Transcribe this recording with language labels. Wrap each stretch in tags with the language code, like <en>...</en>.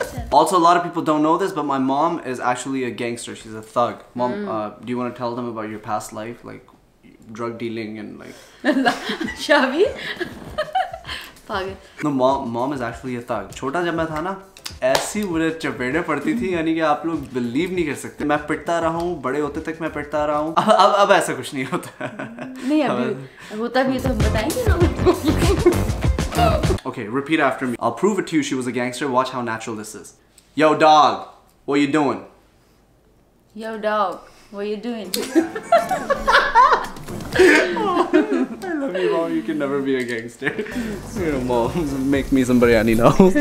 <en>Also, a lot of people don't know this, but my mom is actually a gangster. She's a thug. Mom, do you want to tell them about your past life? Like, drug dealing and like...</en> <hi>Shahveer? Pagal.</hi> <en>No, mom is actually a thug.</en> <hi>Chota jab main tha na, ऐसी मुझे चपेटें पड़ती थी यानी कि आप लोग believe नहीं कर सकते. मैं पिटता रहा हूँ बड़े होते तक. मैं पिटता रहा हूँ अब ऐसा कुछ नहीं होता. नहीं अभी होता भी तो हम बताएंगे.</hi> <en>Okay, repeat after me. I'll prove it to you she was a gangster. Watch how natural this is. Yo dog, what you doing? Yo dog, what you doing? I love you, mom. You can never be a gangster. You know, mom, make me some biryani now.</en>